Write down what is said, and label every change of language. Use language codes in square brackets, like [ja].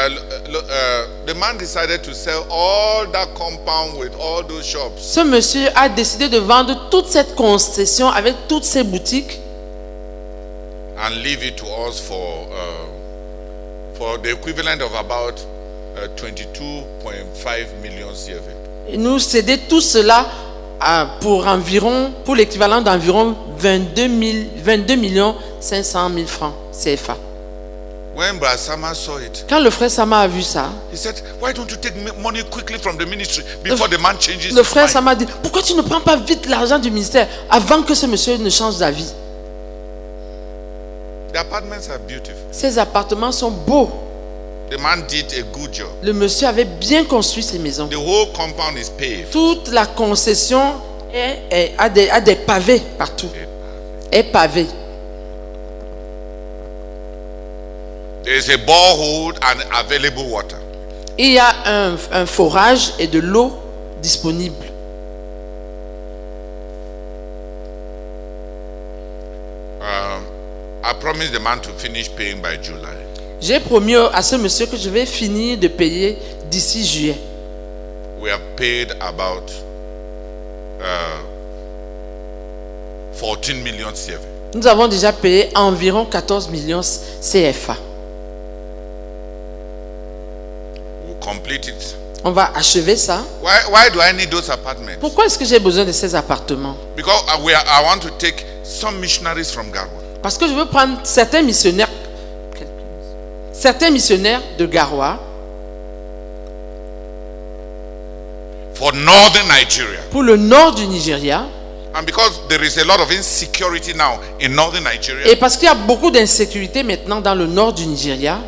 [en] The man decided to sell all that compound with all those shops. [fr] Ce monsieur a décidé de vendre toute cette concession avec toutes ces boutiques. [en] And leave it to us for the equivalent of about 22.5 million CFA. [fr] Nous céder tout cela pour l'équivalent d'environ 22 500 000 francs CFA. [en] When Brasama saw it, [fr] quand le frère Sama a vu ça, [en] he said, "Why don't you take money quickly from the ministry before the man changes?" [fr] Le frère Sama dit, pourquoi tu ne prends pas vite l'argent du ministère avant que ce monsieur ne change d'avis? [en] The apartments are beautiful. [fr] Ces appartements sont beaux. [en] The man did a good job. [fr] Le monsieur avait bien construit ses maisons. [en] The whole compound is paved. [fr] Toute la concession a des pavés partout. Est pavée. [en] There's a borehole and available water. [fr] Il y a un forage et de l'eau disponible. [en] I promised the man to finish paying by July. [fr] J'ai promis à ce monsieur que je vais finir de payer d'ici juillet. [en] We have paid about 14 million CFA. [fr] Nous avons déjà payé environ 14 millions CFA. [en] We'll complete it. [fr] On va achever ça. [en] Why do I need those apartments? [fr] Pourquoi est-ce que j'ai besoin de ces appartements? [en] Because I want to take some missionaries from Garoua. [fr] Parce que je veux prendre certains missionnaires. Certains missionnaires de Garoua [en] for northern Nigeria. [fr] Pour le nord du Nigeria. [en] And because there is a lot of insecurity now in northern Nigeria. [fr] Et parce qu'il y a beaucoup d'insécurité maintenant dans le nord du Nigeria.